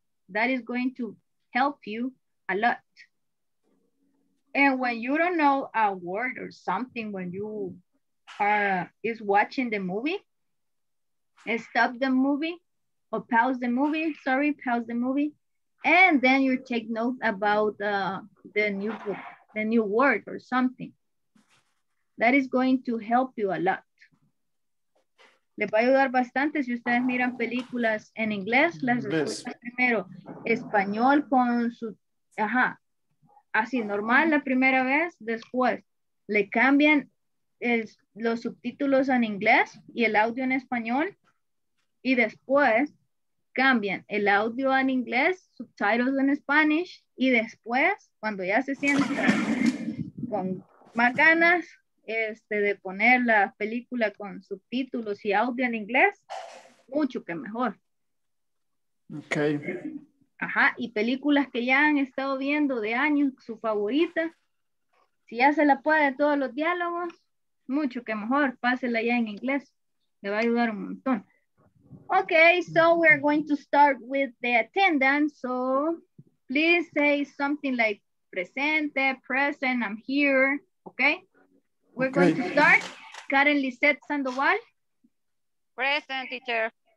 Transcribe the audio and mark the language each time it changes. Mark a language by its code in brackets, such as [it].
[en] That is going to help you a lot. And when you don't know a word or something when you is watching the movie, stop the movie. Or pause the movie, and then you take note about the new word or something. That is going to help you a lot. [es] Le va a ayudar bastante si ustedes miran películas en inglés, las escuchan primero español con su, así normal la primera vez, después le cambian los subtítulos en inglés y el audio en español, y después cambian el audio en inglés, subtitles en Spanish, y después, cuando ya se sienten con más ganas de poner la película con subtítulos y audio en inglés, mucho que mejor. Ok. Ajá, y películas que ya han estado viendo de años, su favorita, si ya se la puede todos los diálogos, mucho que mejor, pásela ya en inglés, le va a ayudar un montón. [en] Okay, so we're going to start with the attendance. So please say something like presente, present, I'm here. Okay, we're going to start. Karen Lisette Sandoval. Present, teacher.